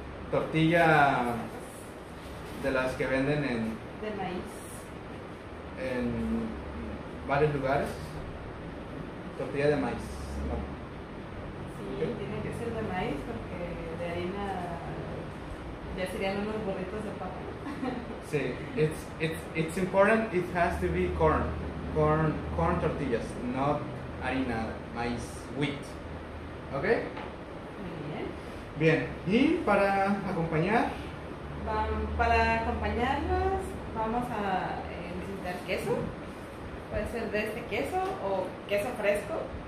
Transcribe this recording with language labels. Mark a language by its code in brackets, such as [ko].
[es] Tortilla de las que venden en... De maíz. En varios lugares. Tortilla de maíz. Sí, okay. Tiene que ser de maíz porque de harina ya serían unos burritos de papa. [en] Sí, it's important, it has to be corn tortillas, not harina, maíz, wheat, okay? [es] Muy bien. Bien, y para acompañar? Para acompañarlos vamos a necesitar queso, puede ser de este queso o queso fresco.